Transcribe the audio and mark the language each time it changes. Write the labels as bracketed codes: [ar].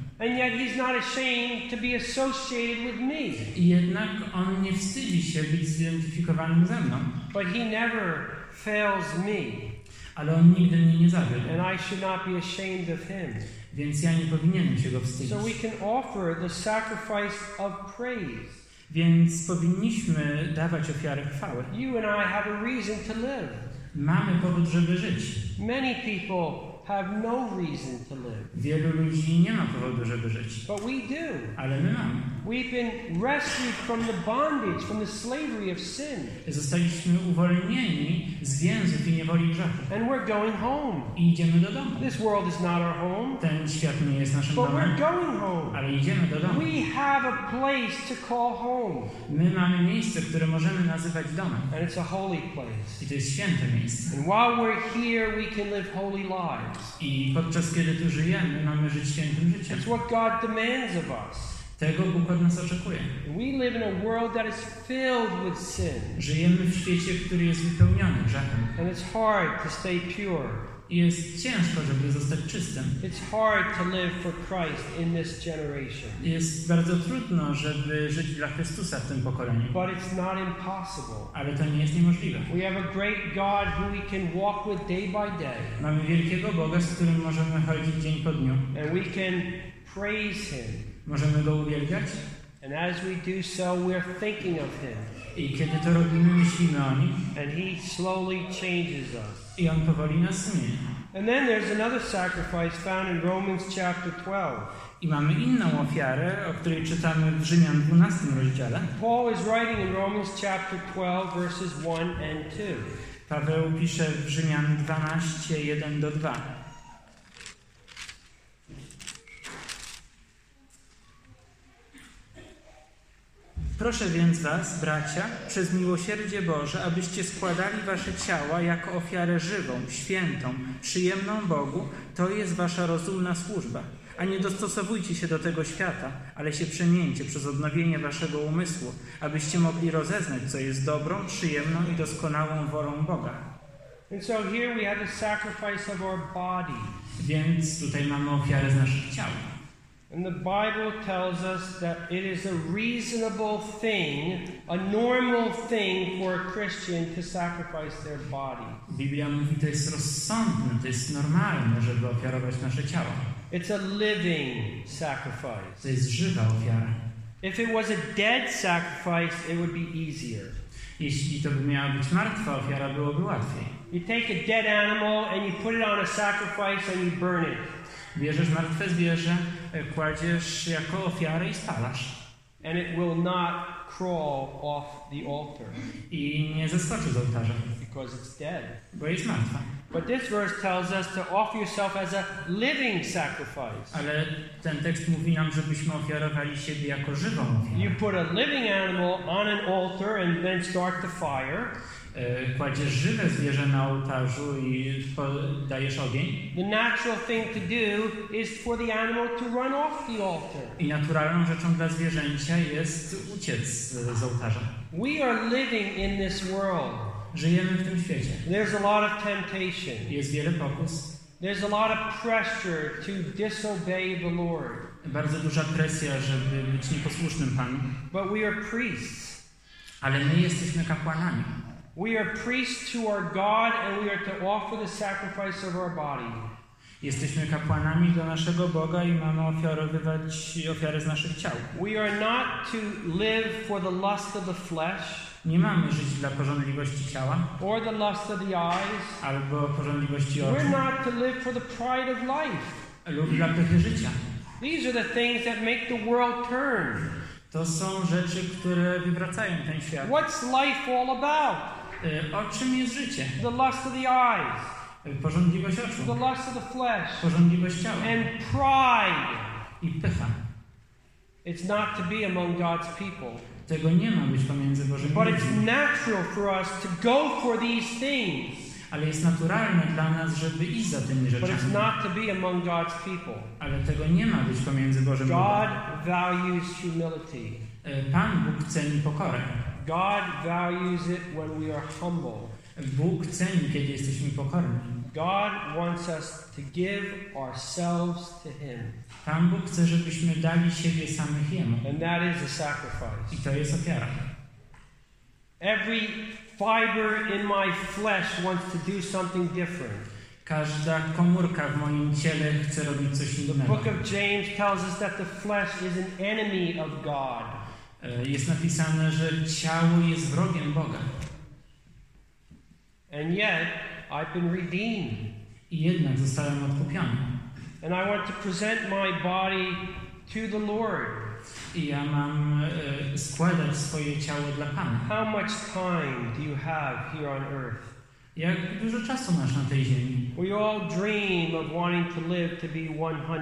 [en] And yet he's not ashamed to be associated with me. [pl] I jednak on nie wstydzi się być zidentyfikowanym ze mną. [en] But he never fails me. [pl] Ale on nigdy mnie nie zawiódł. [en] And I should not be ashamed of him. [pl] Więc ja nie powinienem się go wstydzić. [en] So we can offer the sacrifice of praise. [pl] Więc powinniśmy dawać ofiarę chwały. [en] You and I have a reason to live. [pl] Mamy powód, żeby żyć. [en] Many people have no reason to live. [pl] Wielu ludzi nie ma powodu, żeby żyć. [en] But we do. [pl] Ale my mamy. [en] We've been rescued from the bondage, from the slavery of sin. [pl] Zostaliśmy uwolnieni z więzów i niewoli grzechu. [en] And we're going home. [pl] I idziemy do domu. [en] This world is not our home. [pl] Ten świat nie jest naszym [en] but [pl] domem. [en] We're going home. [pl] Ale idziemy do domu. [en] We have a place to call home. [pl] My mamy miejsce, które możemy nazywać domem. [en] And it's a holy place. [pl] I to jest święte miejsce. [en] And while we're here, we can live holy lives. [pl] I podczas kiedy tu żyjemy, mamy żyć świętym życiem. [en] It's what God demands of us. [pl] Tego Bóg od nas oczekuje. [en] We live in a world that is filled with sin. [pl] Żyjemy w świecie, który jest wypełniony grzechem. [en] And it's hard to stay pure. [pl] I jest ciężko, żeby zostać czystym. [en] It's hard to live for Christ in this generation. [pl] Jest bardzo trudno, żeby żyć dla Chrystusa w tym pokoleniu. [en] But it's not impossible. [pl] Ale to nie jest niemożliwe. [en] We have a great God who we can walk with day by day. [pl] Mamy wielkiego Boga, z którym możemy chodzić dzień po dniu. [en] And we can praise him. [pl] Możemy go uwielbiać. [en] And as we do so, we're thinking of him. [pl] I kiedy to robimy, myślimy o nim. [en] And he slowly changes us. [pl] I on powoli nas zmienia. [en] And then there's another sacrifice found in Romans chapter 12. [pl] I mamy inną ofiarę, o której czytamy w Rzymian 12 rozdziale. [en] Paul is writing in Romans chapter 12, verses 1 and 2. [pl] Paweł pisze w Rzymian 12, 1 do 2. Proszę więc was, bracia, przez miłosierdzie Boże, abyście składali wasze ciała jako ofiarę żywą, świętą, przyjemną Bogu. To jest wasza rozumna służba. A nie dostosowujcie się do tego świata, ale się przemieńcie przez odnowienie waszego umysłu, abyście mogli rozeznać, co jest dobrą, przyjemną i doskonałą wolą Boga. [en] And so here we have the sacrifice of our body. [pl] Więc tutaj mamy ofiarę z naszych ciał. [en] And the Bible tells us that it is a reasonable thing, a normal thing for a Christian to sacrifice their body. [pl] Biblia mówi, to jest rozsądne, to jest normalne, żeby ofiarować nasze ciało. [en] It's a living sacrifice. [pl] To jest żywa ofiara. [en] If it was a dead sacrifice, it would be easier. [pl] Jeśli to by miała być martwa ofiara, byłoby łatwiej. [en] You take a dead animal and you put it on a sacrifice and you burn it. [pl] Bierzesz martwe zwierzę, kładziesz jako ofiarę i spalasz. [en] And it will not crawl off the altar. [pl] I nie zeskoczy z ołtarza. [en] Because it's dead. [pl] Bo jest martwa. [en] But this verse tells us to offer yourself as a living sacrifice. [pl] Ale ten tekst mówi nam, żebyśmy ofiarowali siebie jako żywą ofiarę. [en] You put a living animal on an altar and then start the fire. [pl] Kładziesz żywe zwierzę na ołtarzu i dajesz ogień. [en] The natural thing to do is for the animal to run off the altar. [pl] I naturalną rzeczą dla zwierzęcia jest uciec z ołtarza. [en] We are living in this world. [pl] Żyjemy w tym świecie. [en] There's a lot of temptation. [pl] Jest wiele pokus. [en] There's a lot of pressure to disobey the Lord. [pl] Bardzo duża presja, żeby być nieposłusznym Panu. [en] But we are priests. [pl] Ale my jesteśmy kapłanami. [en] We are priests to our God and we are to offer the sacrifice of our body. [pl] Jesteśmy kapłanami do naszego Boga i mamy ofiarowywać ofiary z naszych ciał. [en] We are not to live for the lust of the flesh. [pl] Nie mamy żyć dla pożądliwości ciała. [en] Or the lust of the eyes. [pl] Albo pożądliwości oczu. [en] We're not to live for the pride of life. [pl] Lub dla pychy życia. [en] These are the things that make the world turn. [pl] To są rzeczy, które wywracają ten świat. [en] What's life all about? [pl] O czym jest życie? [en] The lust of the eyes. [pl] Pożądliwość oczu. [en] The lust of the flesh. [pl] Pożądliwość ciała. [en] And pride. [pl] I pycha. [en] It's not to be among God's people. [pl] Tego nie ma być pomiędzy Bożymi [en] But it's natural for us to go for these things. [pl] Ale jest naturalne dla nas, żeby iść za tymi rzeczami. [en] But it's not to be among God's people. [pl] Ale tego nie ma być pomiędzy Bożym ludem. [en] God values humility. [pl] Pan Bóg ceni pokorę. [en] God values it when we are humble. [pl] Bóg ceni, kiedy jesteśmy pokorni. [en] God wants us to give ourselves to Him. [pl] Pan Bóg chce, żebyśmy dali siebie samych Jemu. [en] And that is a sacrifice. [pl] I to jest ofiara. [en] Every fiber in my flesh wants to do something different. [pl] Każda komórka w moim ciele chce robić coś innego. [en] The book of James tells us that the flesh is an enemy of God. [pl] Jest napisane, że ciało jest wrogiem Boga. [en] And yet, I've been redeemed. [pl] I jednak zostałem odkupiony. [en] And I want to present my body to the Lord. [pl] I ja mam składać swoje ciało dla Pana. [en] How much time do you have here on earth? [pl] Jak dużo czasu masz na tej ziemi? [en] We all dream of wanting to live to be 100.